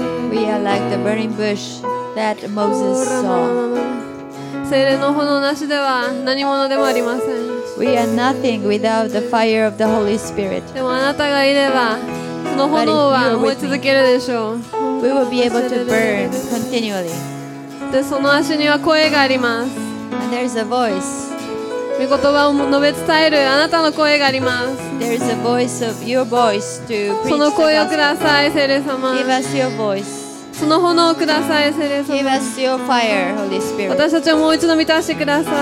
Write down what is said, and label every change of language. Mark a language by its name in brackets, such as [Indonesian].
[English] We are like the burning bush that Moses saw。 [Japanese] 聖霊の炎なしでは何者でもありません。 [English] We are nothing without the fire of the Holy Spirit。 [Japanese] でもあなたがいればその炎は燃え続けるでしょう。 [English] We will be able to burn continually。 [Japanese] でその足には声があります。 [English] And there is a voice。 [Japanese] 御言葉を述べ伝えるあなたの声があります。 [English] There is a voice of your voice to preach。 [Japanese] その声をください聖霊様。 [English] Give us your voice。 [Japanese] その炎をください聖霊様。 [English] Give us your fire Holy Spirit。 [Japanese] 私たちをもう一度満たしてください。